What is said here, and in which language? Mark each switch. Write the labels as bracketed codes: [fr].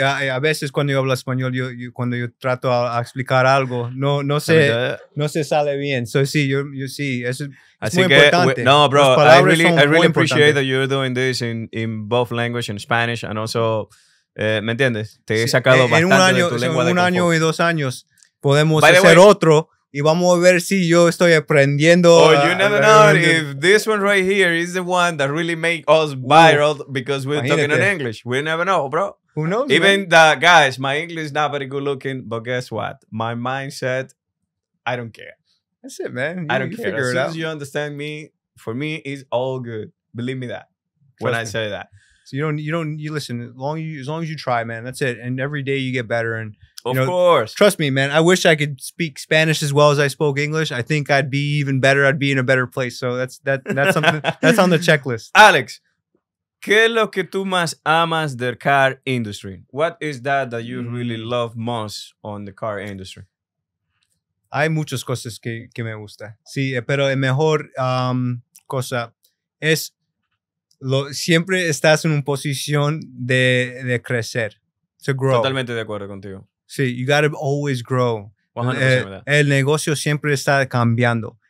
[es] A veces cuando yo hablo español, cuando yo trato a explicar algo, no se sale bien. So, sí, [en] you see, [es] es muy importante. [en] No, bro, I really appreciate that you're doing this in both language, in Spanish, and also, [es] ¿me entiendes? Te he sacado bastante en año, de tu lengua de confort. En un año y dos años podemos By hacer otro. Y vamos a ver si yo estoy aprendiendo. [en] Oh, you never know if this one right here is the one that really make us viral because we're talking in English. We never know, bro. Who knows? Even the guys, my English is not very good looking, but guess what? My mindset, I don't care. That's it, man. I don't care. As soon as you understand me, for me, it's all good. Believe me that. Trust me when I say that. So you listen. As long as you try, man, that's it. And every day you get better and Of course. Trust me, man. I wish I could speak Spanish as well as I spoke English. I think I'd be even better. I'd be in a better place. So that's something that's on the checklist. [es] Alex, ¿qué es lo que tú más amas del car industry? [en] What is that you really love most on the car industry? [es] Hay muchas cosas que me gusta. Sí, pero la mejor cosa es lo siempre estás en una posición de crecer. [en] To grow. [es] Totalmente de acuerdo contigo. [en] Sí, you got to always grow. 100% [es] el negocio siempre está cambiando.